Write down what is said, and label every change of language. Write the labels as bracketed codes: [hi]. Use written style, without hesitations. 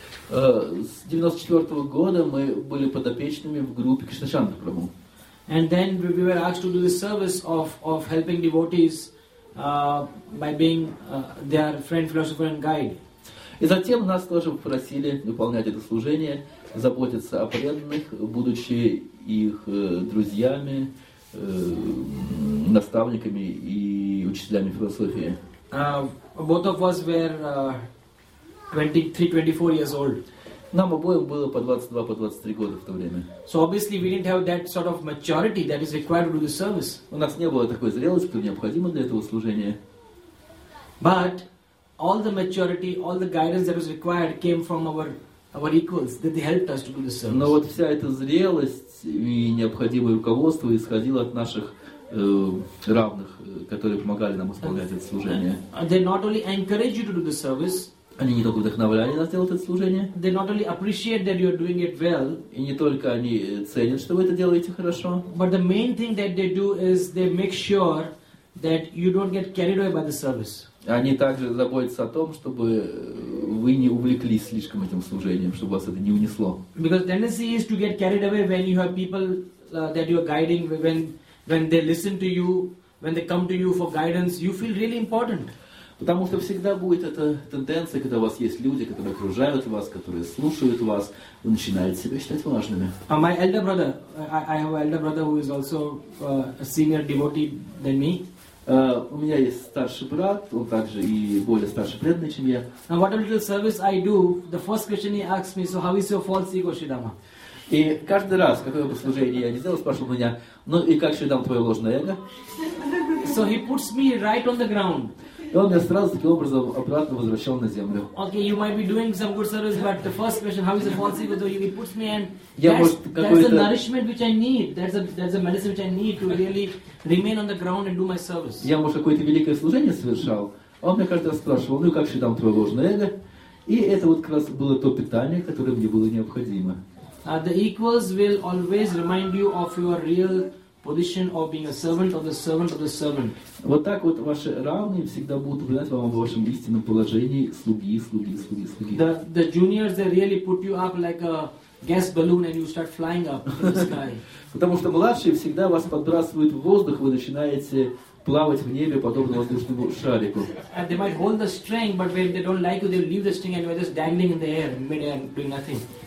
[ru] С 94 года мы были подопечными в группе Кришна Чандра Прабху. [en] And then we were asked to do the service of helping devotees. By being their friend, philosopher, and guide. [ru] И затем нас тоже попросили выполнять это служение, заботиться о преданных, будучи их друзьями, наставниками и учителями философии. [en] Both of us were 23-24 years old. [ru] Нам обоим было по 22-23 года в то время. [en] So obviously we didn't have that sort of maturity that is required to do the service. [ru] У нас не было такой зрелости, которая необходима для этого служения. [en] But all the maturity, all the guidance that was required came from our equals, that they helped us to do the service. [ru] Но вот вся эта зрелость и необходимое руководство исходило от наших равных, которые помогали нам исполнять это служение. [en] They not only encourage you to do the service. [ru] Они не только вдохновляли нас делать это служение. [en] They not only appreciate that you're doing it well. [ru] И не только они ценят, что вы это делаете хорошо. [en] But the main thing that they do is they make sure that you don't get carried away by the service. [ru] Они также заботятся о том, чтобы вы не увлеклись слишком этим служением, чтобы вас это не унесло. [en] Because the tendency is to get carried away when you have people that you're guiding, when they listen to you, when they come to you for guidance, you feel really important. [ru] Потому что всегда будет эта тенденция, когда у вас есть люди, которые окружают вас, которые слушают вас, вы начинаете себя считать важными. [en] My elder brother, I have an elder brother who is also a senior devotee than me. [ru] У меня есть старший брат, он также и более старший преданный, чем я. [en] Now what a little service I do, the first question he asks me, so how is your false ego, Shridama? [ru] И каждый раз, какое бы служение я ни делал, спрашивал меня, ну и как, Shridama, твое ложное эго? [en] So he puts me right on the ground. [ru] И он меня сразу таким образом обратно возвращал на землю. [en] Okay, you might be doing some good service, but the first question, how is the false ego? So he puts me and that's the nourishment which I need. That's a medicine which I need to really remain on the ground and do my service. [ru] Я может какое-то великое служение совершал. Он меня каждый раз спрашивал, ну как же там твое ложное эго? И это вот как раз было то питание, которое мне было необходимо. [en] The equals will always remind you of your real position of being a servant of the servant of the servant. [ru] Вот так вот ваши равные всегда будут упоминать вам в вашем истинном положении слуги. [en] The juniors, they really put you up like a gas balloon and you start flying up in the sky. [ru] Потому что младшие всегда вас подбрасывают в воздух, вы начинаете плавать в небе подобно воздушному шарику. [en] And they might hold the string, but when they don't like you, they leave the string and you're just dangling in the air, mid-air, doing nothing.